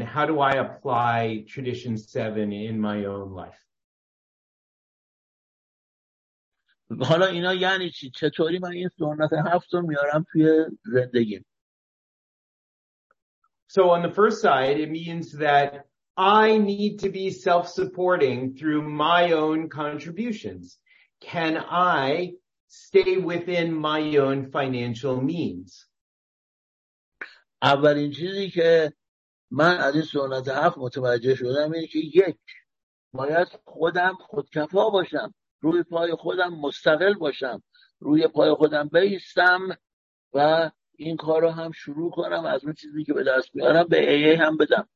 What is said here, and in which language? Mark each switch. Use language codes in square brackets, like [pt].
[en] How do I apply tradition 7 in my own life? [fa] حالا اینا یعنی چی؟ چطوری من این سنت هفت رو میارم توی زندگی؟ [en] So on the first side, it means that I need to be self-supporting through my own contributions. Can I stay within my own financial means? [fa] اولین چیزی که من از این سنت هفت متوجه شدم اینه که یک، باید خودم خودکفا باشم. روی پای خودم مستقل باشم، روی پای خودم بایستم و این کار رو هم شروع کنم، از اون چیزی که به دست بیارم به AA هم بدم.